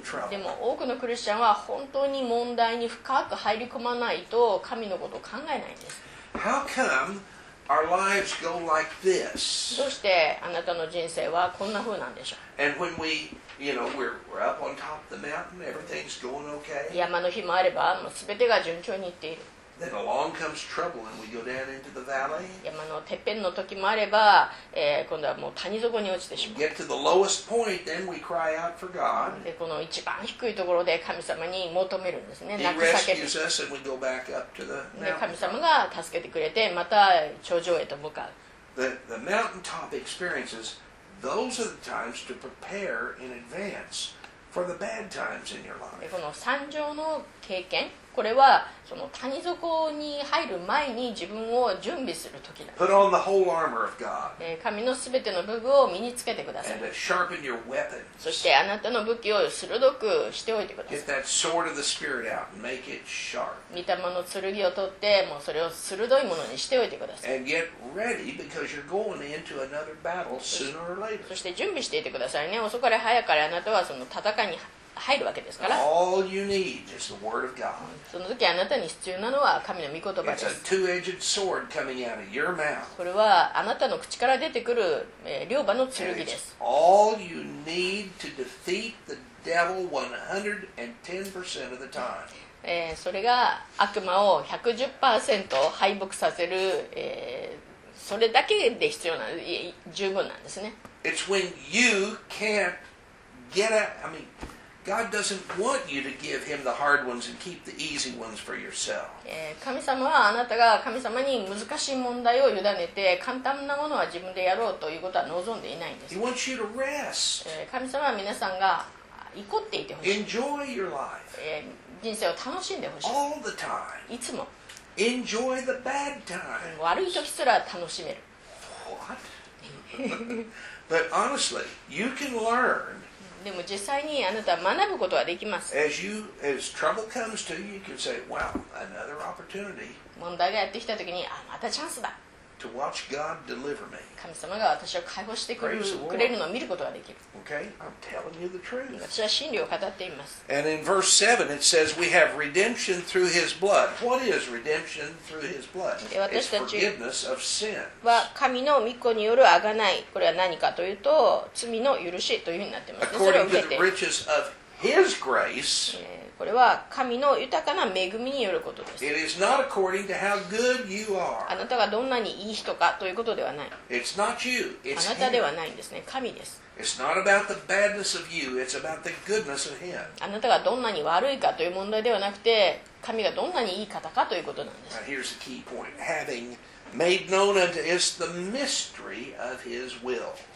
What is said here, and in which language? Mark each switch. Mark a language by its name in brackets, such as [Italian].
[Japanese] でも多くのクリスチャンは本当に問題に深く入り込まないと神のことを考えないんです。 [English] How come our lives go like this? [Japanese] どうしてあなたの人生はこんな風なんでしょう。 [English] And when weYou know, we're up on top of the mountain, everything's going okay. [Japanese] 山の日もあれば、もうすべてが順調にいっている。 [English] Then along comes trouble and we go down into the valley. [Japanese] 山のてっぺんの時もあれば、今度はもう谷底に落ちてしまう。 [English] Get to the lowest point, then we cry out for God. [Japanese] で、この一番低いところで神様に求めるんですね。 [English] He rescues us and we go back up to the mountain. [Japanese] で、神様が助けてくれて、また頂上へと向かう。 [English] The mountaintop experiences. Those are the times to prepare in advance for the bad times in your life. [Japanese] この山上の経験、これはその谷底に入る前に自分を準備する時だ。 [English] Put on the whole armor of God. [Japanese] 神のすべての武具を身につけてください。 [English] And sharpen your weapons. [Japanese] そしてあなたの武器を鋭くしておいてください。 [English] Get that sword of the Spirit out and make it sharp. [Japanese] 御霊の剣を取って、もうそれを鋭いものにしておいてください。 [English] And get ready because you're going into another battle sooner or later. [Japanese] そして準備していてくださいね。遅かれ早かれあなたはその戦いに入るわけですから。 [English] All you need is the word of God. [Japanese] その時あなたに必要なのは神の御言葉です。 [English] It's a two-edged sword coming out of your mouth. [Japanese] これはあなたの口から出てくる両刃の剣です。 [English] It's all you need to defeat the devil 110% of the time. [Japanese] それが悪魔を 110% 敗北させる、それだけで必要な、十分なんですね。 [English] It's when you can't get at, I mean,God doesn't want you to give him the hard ones and keep the easy ones for yourself. [Japanese] 神様はあなたが神様に難しい問題を委ねて簡単なものは自分でやろうということは望んでいないんです。 [English] He wants you to rest. [Japanese] 神様は皆さんが怒っていてほしい。 [English] Enjoy your life. [Japanese] 人生を楽しんでほしい。 [English] All the time. [Japanese] いつも。 [English] Enjoy the bad times. [Japanese] 悪い時すら楽しめる。 [English] What? But honestly, you can learn. [Japanese] でも実際にあなたは学ぶことができます。 [English] As trouble comes to you, you can say, "Wow, another opportunity." [Japanese] 問題がやってきたときに、またチャンスだ。 [English] To watch God deliver me. [Japanese] 神様が私を解放してくれるのを見ることができる。 [English] Okay, I'm telling you the truth. [Japanese] 私は真理を語っています。 [English] And in verse 7, it says, "We have redemption through His blood." What is redemption through His blood? It's forgiveness of sin. [Japanese] は神の御子による贖い。これは何かというと、罪の許しというふうになっています。 [English] According to the riches of His grace. [Japanese] これは神の豊かな恵みによることです。 [English] It is not according to how good you are. [Japanese] あなたがどんなにいい人かということではない。 [English] It's not you. It's him. [Japanese] あなたではないんですね。神です。 [English] It's not about the badness of you. It's about the goodness of him. [Japanese] あなたがどんなに悪いかという問題ではなくて、神がどんなにいい方かということなんです。 [English] Now here's a key point. Having made known unto us the mystery of his will.